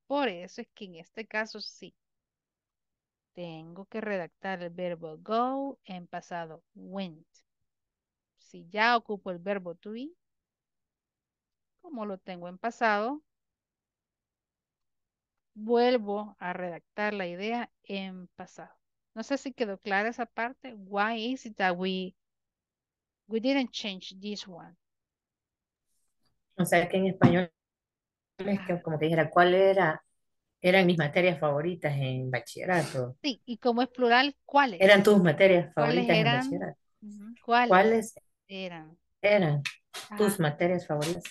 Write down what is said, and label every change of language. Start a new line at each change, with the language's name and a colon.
Spanish: Por eso es que en este caso sí tengo que redactar el verbo go en pasado went. Si ya ocupo el verbo to be, como lo tengo en pasado, vuelvo a redactar la idea en pasado. No sé si quedó clara esa parte.
English: Why is it that we didn't change this one?
Spanish: O sea, que en español es que como que dijera, ¿cuál era? Eran mis materias favoritas en bachillerato. Sí, y como es plural, ¿cuáles? Eran tus materias favoritas en bachillerato. ¿Cuáles eran? Eran tus materias favoritas.